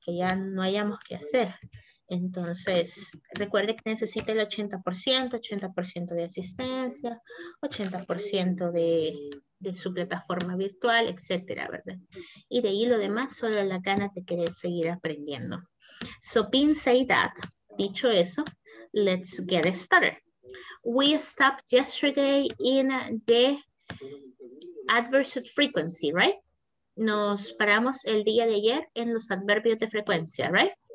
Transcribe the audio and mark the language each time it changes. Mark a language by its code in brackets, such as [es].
[es] Que ya no hayamos que hacer. Entonces, recuerde que necesita el 80%, 80% de asistencia, 80% de su plataforma virtual, etcétera, ¿verdad? Y de ahí lo demás, solo la gana de querer seguir aprendiendo. [en] So, being said that, [es] dicho eso, [en] let's get started. We stopped yesterday in the adverbial frequency, right? [es] Nos paramos el día de ayer en los adverbios de frecuencia, right?